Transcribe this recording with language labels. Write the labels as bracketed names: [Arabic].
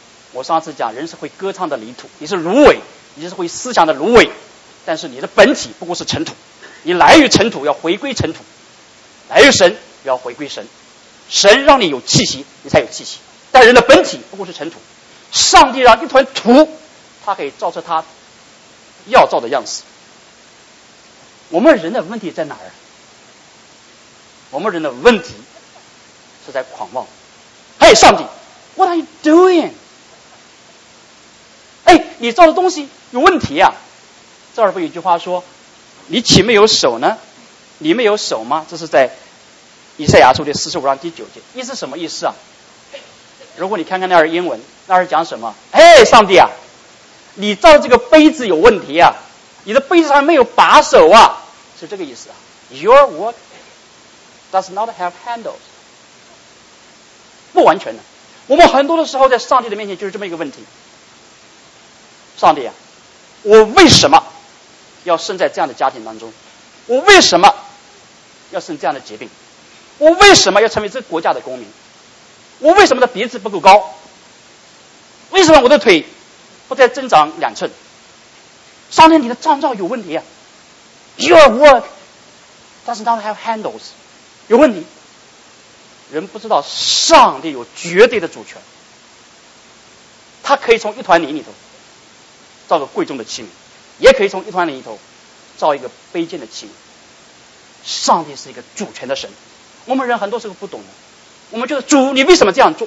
[Chinese] 我上次讲人是会歌唱的泥土，你是芦苇，你是会思想的芦苇，但是你的本体不过是尘土，你来于尘土，要回归尘土，来于神，要回归神，神让你有气息，你才有气息，但人的本体不过是尘土。上帝让一团土，他可以造出他要造的样子。我们人的问题在哪儿？我们人的问题是在狂妄。 [English] Hey, 上帝 What are you doing? [Chinese] 哎，你造的东西有问题啊。这儿不有一句话说，你岂没有手呢？你没有手吗？这是在以赛亚书的45章第9节。意思是什么意思啊？如果你看看那儿英文，那儿讲什么？哎，上帝啊，你造这个杯子有问题啊，你的杯子上没有把手啊，是这个意思啊。 [English] Your work does not have handles， [Chinese] 不完全的。我们很多的时候在上帝的面前就是这么一个问题，上帝啊，我为什么要生在这样的家庭当中？我为什么要生这样的疾病？我为什么要成为这个国家的公民？我为什么的鼻子不够高？为什么我的腿不再增长2寸？上帝，你的创造有问题啊。 [English] Your work does not have handles， [Chinese] 有问题。人不知道上帝有绝对的主权，他可以从一团泥里头造个贵重的器皿，也可以从一团泥里头造一个卑贱的器皿。上帝是一个主权的神，我们人很多时候不懂的，我们觉得主你为什么这样做？